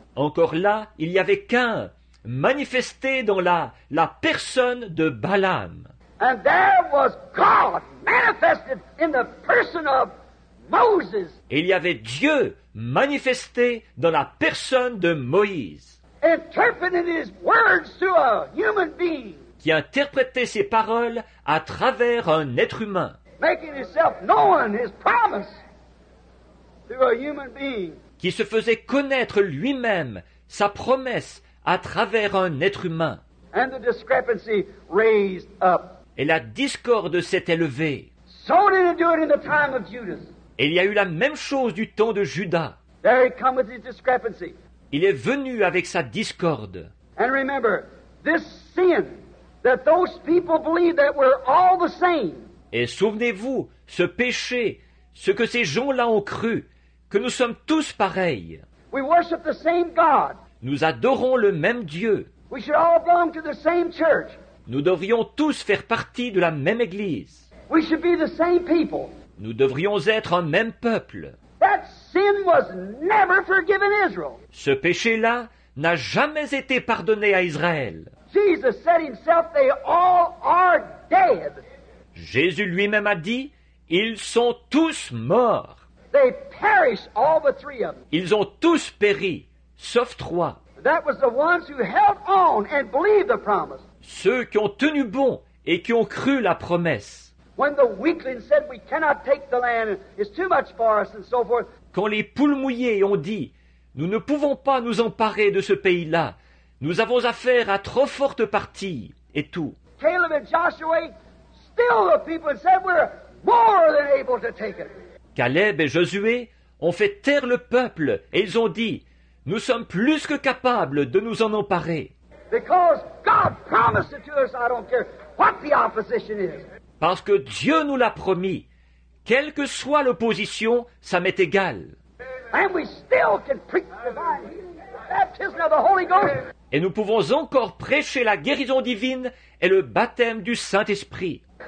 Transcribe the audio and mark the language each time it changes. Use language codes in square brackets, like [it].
[fr] Encore là, il y avait Cain manifesté dans la personne de Balaam. [en] And there was God manifested in the person of Moses. [fr] Et il y avait Dieu manifesté dans la personne de Moïse. [en] Interpreting his words to a human being. [fr] qui interprétait ses paroles à travers un être humain. [en] Making himself known his promise through a human being. [fr] Qui se faisait connaître lui-même sa promesse à travers un être humain. [en] And the discrepancy raised up. [fr] Et la discorde s'est élevée. [en] So did it do it in the time of Judas. [fr] Et il y a eu la même chose du temps de Judas. [en] There he come with his discrepancy. [fr] Il est venu avec sa discorde. [en] And remember, this sin that those people believed that we're all the same. [fr] Et souvenez-vous, ce péché, ce que ces gens-là ont cru, que nous sommes tous pareils. [en] We worship the same God. [fr] Nous adorons le même Dieu. [en] We should all belong to the same church. [fr] Nous devrions tous faire partie de la même Église. [en] We should be the same people. [fr] Nous devrions être un même peuple. [en] That sin was never forgiven Israel. [fr] Ce péché-là n'a jamais été pardonné à Israël. [en] Jesus said himself, they all are dead. [fr] Jésus lui-même a dit, « Ils sont tous morts. [en] They perish, all the three of them. [fr] Ils ont tous péri, sauf trois. [en] That was the ones who held on and believed the promise. [fr] Ceux qui ont tenu bon et qui ont cru la promesse. [en] When the weakling said, we cannot take the land, it's too much for us, and so forth. [fr] Quand les poules mouillées ont dit, « Nous ne pouvons pas nous emparer de ce pays-là. Nous avons affaire à trop forte partie. » Et tout. [en] Caleb et Joshua, still the people said we're more than able to take it. [fr] Caleb et Josué ont fait taire le peuple et ils ont dit, nous sommes plus que capables de nous en emparer. [en] Because God promised it to us, I don't care what the opposition is. [fr] Parce que Dieu nous l'a promis, quelle que soit l'opposition, ça m'est égal. [en] And we still can preach the baptism of the Holy Ghost. [fr] Et nous pouvons encore prêcher la guérison divine et le baptême du Saint-Esprit.